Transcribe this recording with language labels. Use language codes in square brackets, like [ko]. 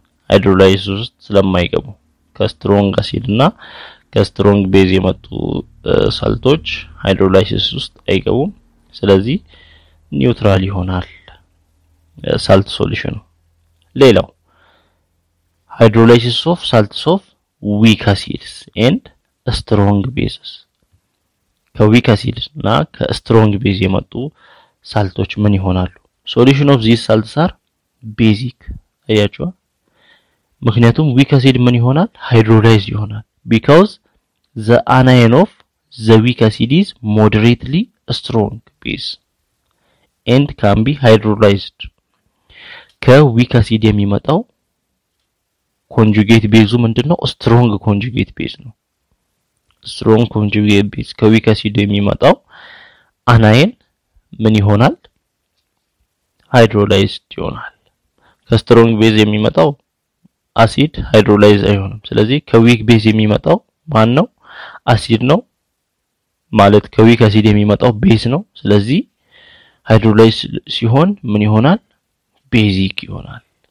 [am] ሃይድሮላይዝ ስለማይገቡ ከስትሮንግ አሲድና ከስትሮንግ ቤዝ የመጡ ሳልቶች ሃይድሮላይዝ ውስጥ አይገቡ ስለዚህ ኒውትራል ይሆናል ሳልት ሶሉሽኑ ሌላው [en] ሃይድሮላይዝ ኦፍ ሳልትስ ኦፍ ዊክ አሲድስ ኤንድ ስትሮንግ ቤዝስ [am] ከዊክ አሲድና ከስትሮንግ ቤዝ የመጡ ሳልቶች ምን ይሆናሉ? [en] solution of these salts are basic [am] አያችሁ? ምክንያቱም weak acid ምን ይሆናል? [en] hydrolyze ይሆናል because the anion of the weak acid is moderately strong base and can be hydrolyzed [am] ከweak acid የሚመጣው conjugate base ምንድነው? strong conjugate base ነው strong conjugate base ከweak acid የሚመጣው anion ምን ይሆናል ሃይድሮላይዝድ ይሆናል ከስትሮንግ ቤዝ የሚመጣው አሲድ ሃይድሮላይዝ አይሆንም ስለዚህ ከዊክ ቤዝ የሚመጣው ማን ነው አሲድ ነው ማለት ከዊክ አሲድ የሚመጣው ቤዝ ነው ስለዚህ ሃይድሮላይዝ ሲሆን ምን ይሆናል ቤዚክ ይሆናል